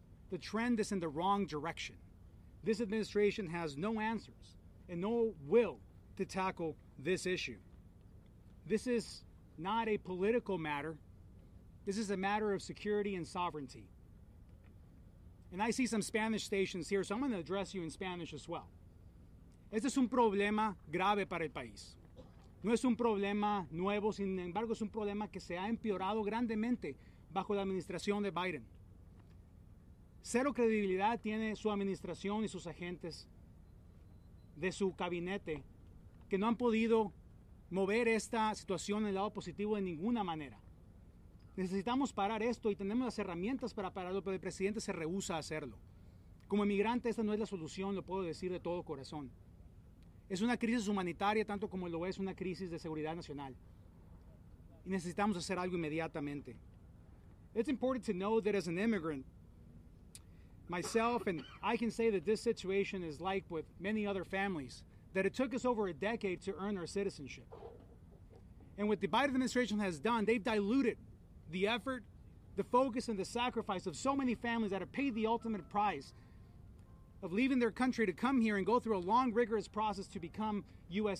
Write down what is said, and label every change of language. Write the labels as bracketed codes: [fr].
[en] The trend is in the wrong direction. This administration has no answers and no will to tackle this issue. This is not a political matter. This is a matter of security and sovereignty. And I see some Spanish stations here, so I'm going to address you in Spanish as well. [es] Este es un problema grave para el país. No es un problema nuevo, sin embargo, es un problema que se ha empeorado grandemente bajo la administración de Biden. Cero credibilidad tiene su administración y sus agentes de su gabinete que no han podido mover esta situación en el lado positivo de ninguna manera. Necesitamos parar esto y tenemos las herramientas para pararlo, pero el presidente se rehúsa a hacerlo. Como inmigrante, esta no es la solución, lo puedo decir de todo corazón. Es una crisis humanitaria, tanto como lo es una crisis de seguridad nacional. Y necesitamos hacer algo inmediatamente. [en] It's important to know that as an immigrant, myself, and I can say that this situation is like with many other families, that it took us over a decade to earn our citizenship. And what the Biden administration has done, they've diluted the effort, the focus, and the sacrifice of so many families that have paid the ultimate price of leaving their country to come here and go through a long, rigorous process to become U.S.